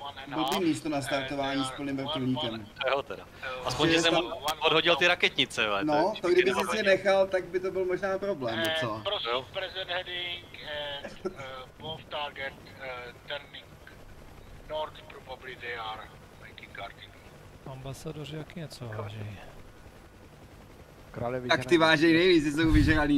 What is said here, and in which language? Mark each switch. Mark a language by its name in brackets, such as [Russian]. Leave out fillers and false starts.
[Czech] Blbý místo na startování s plným vrtulníkem. Jo teda. Aspoň jsem odhodil ty raketnice. Ve, no, to kdyby si je nechal, tak by to byl možná problém, co? Prosím, jo. [English] Present heading and both target turning north, probably they are making guarding. [Czech] Ambasadoři jak něco váží. Tak ty vážej nejvíc, ty jsou vyžehaný.